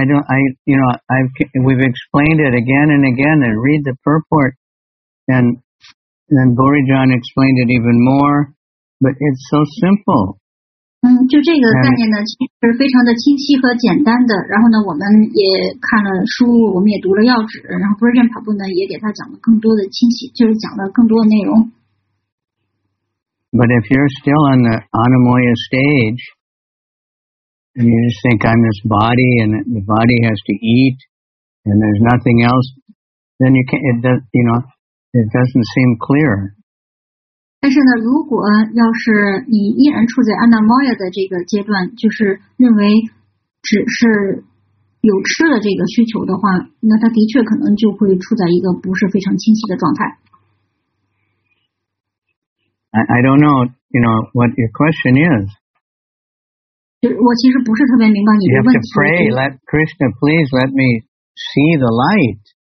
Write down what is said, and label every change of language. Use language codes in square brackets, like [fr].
[en] We've explained it again and again, and read the purport, and then Borijan explained it even more. But it's so simple. [zh] 就这个概念呢，其实非常的清晰和简单的。然后呢，我们也看了书，我们也读了要旨，然后 Borijan 跑步呢也给他讲了更多的清晰，就是讲了更多的内容。 [en] But if you're still on the Anamoya stage. And you just think I'm this body, and the body has to eat, and there's nothing else. Then you can't. It does, you know, it doesn't seem clear. [zh] 但是呢，如果要是你依然处在 Anamaya 的这个阶段，就是认为只是有吃的这个需求的话，那他的确可能就会处在一个不是非常清晰的状态。 [en] I don't know, you know, what your question is. [zh] 我其实不是特别明白你的问题。 [en] You have to pray, let Krishna please let me see the light.